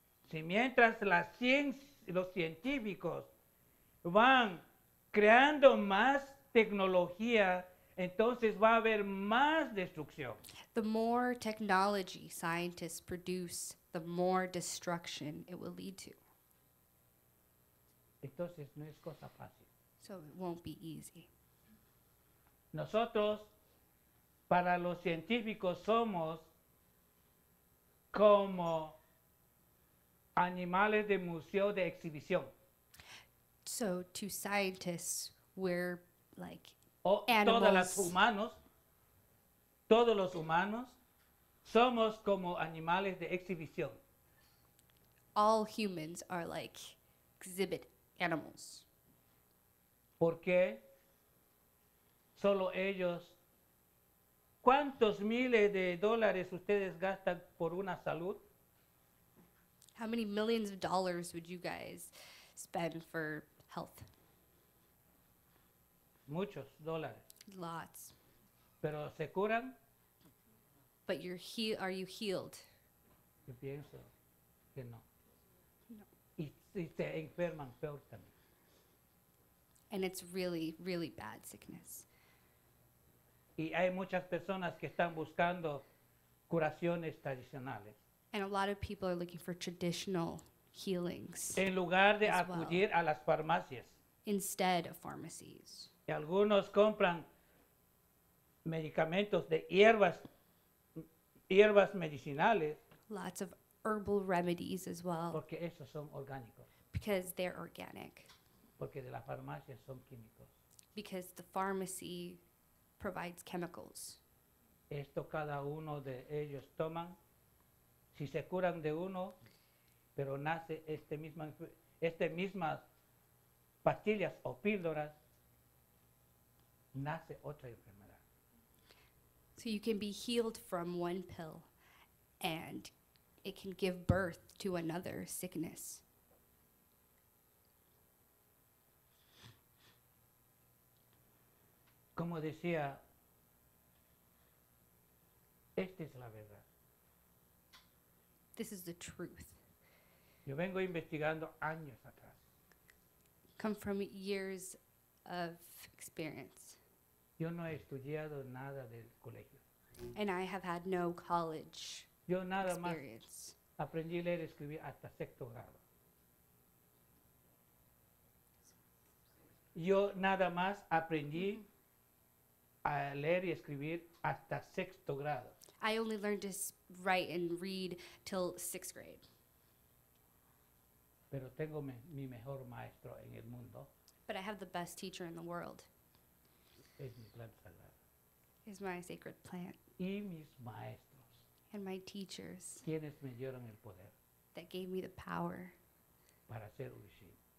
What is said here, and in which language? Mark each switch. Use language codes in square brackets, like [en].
[es] Si mientras los científicos van creando más tecnología, entonces va a haber más destrucción. [en] The more technology scientists produce, the more destruction it will lead to. [es] Entonces no es cosa fácil. [en] So it won't be easy. [es] Nosotros, para los científicos, somos como animales de museo de exhibición. [en] So to scientists, we're like animals. [es] Todas las humanos, todos los humanos, somos como animales de exhibición. [en] All humans are like exhibit animals. [es] ¿Por qué? Solo ellos. ¿Cuántos miles de dólares ustedes gastan por una salud? [en] How many millions of dollars would you guys spend for health? [es] Muchos dólares. [en] Lots. [es] ¿Pero se curan? [en] But you're are you healed? [es] Yo pienso que no. [en] No. [es] Y se enferman peor también. [en] And it's really, really bad sickness. [es] Y hay muchas personas que están buscando curaciones tradicionales. [en] And a lot of people are looking for traditional healings. [es] En lugar de acudir a las farmacias. [en] Instead of pharmacies. [es] Y algunos compran medicamentos de hierbas medicinales. [en] Lots of herbal remedies as well. [es] Porque esos son orgánicos. [en] Because they're organic. [es] Porque de las farmacias son químicos. [en] Because the pharmacy provides chemicals. [es] Esto cada uno de ellos toman. Si se curan de uno, pero nace este misma pastillas o píldoras, nace otra enfermedad. [en] So you can be healed from one pill and it can give birth to another sickness. [es] Como decía, esta es la verdad. [en] This is the truth. [es] Yo vengo investigando años atrás. [en] Come from years of experience. [es] Yo no he estudiado nada del colegio. [en] And I have had no college [es] yo nada [en] experience. [es] Más aprendí leer y escribir hasta sexto grado. Yo nada más aprendí a leer y escribir hasta sexto grado. [en] I only learned to write and read till sixth grade. [es] Pero tengo mi mejor maestro en el mundo. [en] But I have the best teacher in the world. [es] Es mi planta sagrada. [en] Is my sacred plant. [es] Y mis maestros. [en] And my teachers. [es] Quienes me dieron el poder. [en] That gave me the power. [es] Para ser Urishin.